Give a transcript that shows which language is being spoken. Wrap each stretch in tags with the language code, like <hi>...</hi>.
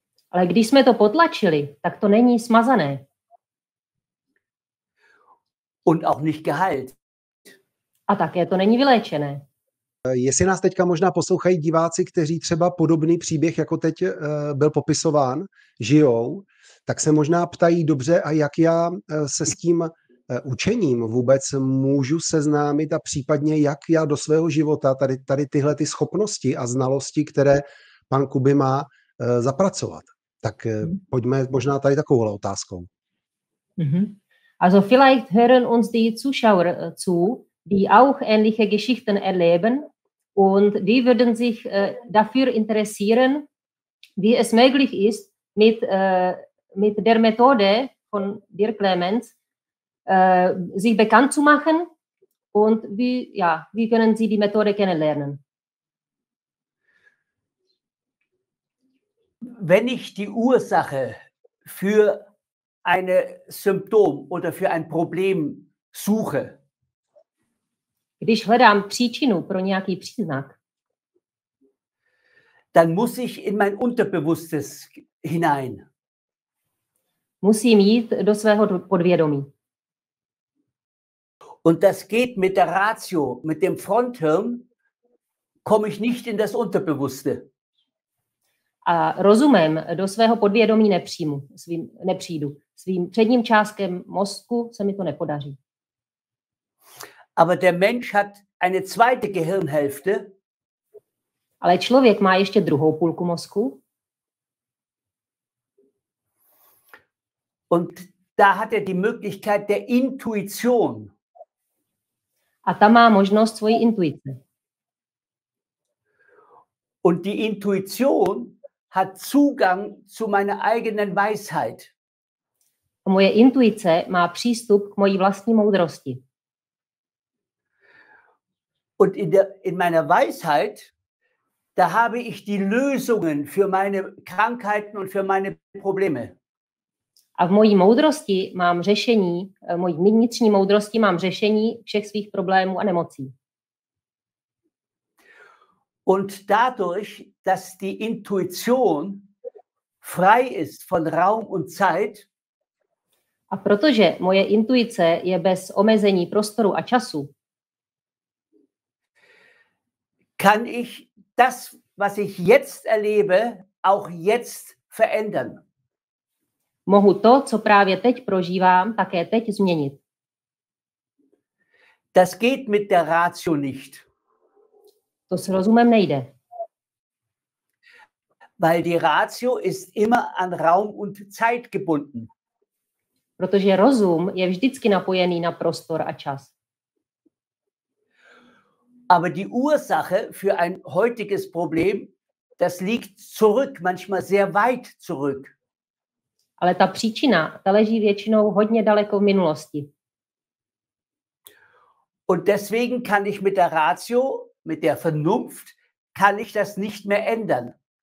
<cs>Ale když jsme to potlačili, tak to není smazané.</cs> <de>Und auch nicht geheilt.</de> <cs>A také to není vyléčené. Jestli nás teďka možná poslouchají diváci, kteří třeba podobný příběh, jako teď byl popisován, žijou, tak se možná ptají, dobře, a jak já se s tím učením vůbec můžu seznámit a případně jak já do svého života tady tyhle ty schopnosti a znalosti, které pan Kuby má, zapracovat. Tak pojďme možná tady takovouhle otázkou.</cs> <de>Also vielleicht hören uns die Zuschauer zu, die auch ähnliche Geschichten erleben und die würden sich dafür interessieren, wie es möglich ist, mit der Methode von Dirk Clemens sich bekannt zu machen und wie können sie die Methode kennenlernen. Wenn ich die Ursache für ein Symptom oder für ein Problem suche,</de> <cs>když hledám příčinu pro nějaký příznak,</cs> <de>dann muss ich in mein Unterbewusstes hinein.</de> <cs>Musím jít do svého podvědomí.</cs> <de>Und das geht mit der Ratio, mit dem Fronthirn, komme ich nicht in das Unterbewusste.</de> <cs>A rozumem do svého podvědomí nepřijdu. Svým předním částkem mozku se mi to nepodaří.</cs> <de>Aber der Mensch hat eine zweite Gehirnhälfte.</de> <cs>Ale člověk má ještě druhou půlku mozku.</cs> <de>Und da hat die Möglichkeit der Intuition.</de> <cs>A ta má možnost svojí intuice.</cs> <de>Und die Intuition hat Zugang zu meiner eigenen Weisheit.</de> <cs>A moje intuice má přístup k mojí vlastní moudrosti.</cs> <de>Und in meiner Weisheit, da habe ich die Lösungen für meine Krankheiten und für meine Probleme.</de> <cs>A v mojí moudrosti mám řešení, v mojí vnitřní moudrosti mám řešení všech svých problémů a nemocí.</cs> <de>Und dadurch, dass die Intuition frei ist von Raum und Zeit,</de> <cs>a protože moje intuice je bez omezení prostoru a času,</cs> <de>kann ich das, was ich jetzt erlebe, auch jetzt verändern.</de> <cs>Mohu to, co právě teď prožívám, také teď změnit.</cs> <de>Das geht mit der Ratio nicht.</de> <cs>To s rozumem nejde.</cs> <de>Weil die Ratio ist immer an Raum und Zeit gebunden.</de> <cs>Protože rozum je vždycky napojený na prostor a čas.</cs> <de>Aber die Ursache für ein heutiges Problem, das liegt zurück, manchmal sehr weit zurück.</de> <cs>Ale ta příčina, ta leží většinou hodně daleko v minulosti.</cs> <de>Und deswegen kann ich mit der Ratio, mit der Vernunft, kann ich das nicht mehr ändern.</de>